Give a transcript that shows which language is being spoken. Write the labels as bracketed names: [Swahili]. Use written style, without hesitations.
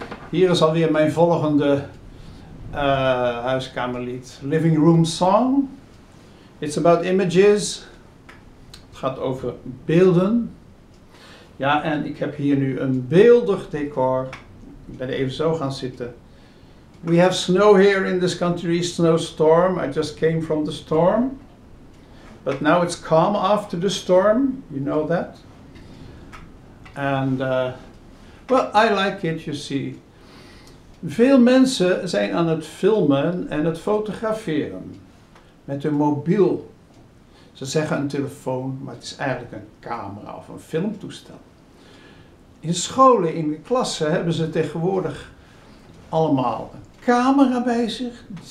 [Dutch] Hier is alweer mijn volgende huiskamerlied. [English] Living Room Song. It's about images. [Dutch] Het gaat over beelden. Ja, en ik heb hier nu een beeldig decor. Ik ben even zo gaan zitten. [English] We have snow here in this country, snowstorm. I just came from the storm. But now it's calm after the storm. You know that. And, well, I like it, you see. [Dutch] Veel mensen zijn aan het filmen en het fotograferen. Met hun mobiel. Ze zeggen een telefoon, maar het is eigenlijk een camera of een filmtoestel. In scholen, in de klassen, hebben ze tegenwoordig allemaal een camera bij zich.